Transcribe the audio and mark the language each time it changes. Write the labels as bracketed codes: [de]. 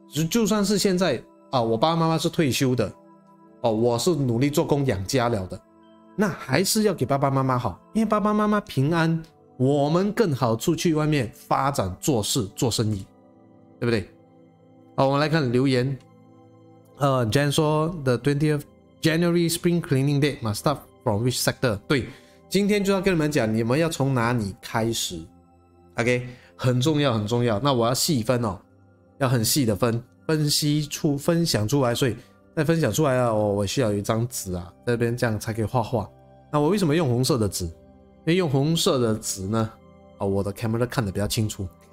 [zh] 就算是现在啊，我爸爸妈妈是退休的，哦，我是努力做工养家了的，那还是要给爸爸妈妈好，因为爸爸妈妈平安，我们更好出去外面发展做事做生意，对不对？好，我们来看留言。 [en] Jan [zh] 说 [en] ，The 20th January Spring Cleaning Day must start from which sector？ [zh] 对，今天就要跟你们讲，你们要从哪里开始 ？OK， 很重要，很重要。那我要细分哦，要很细的分析出分享出来。所以在分享出来啊，我需要有一张纸啊，在这边这样才可以画画。那我为什么用红色的纸？因为用红色的纸呢，我的 camera 看得比较清楚。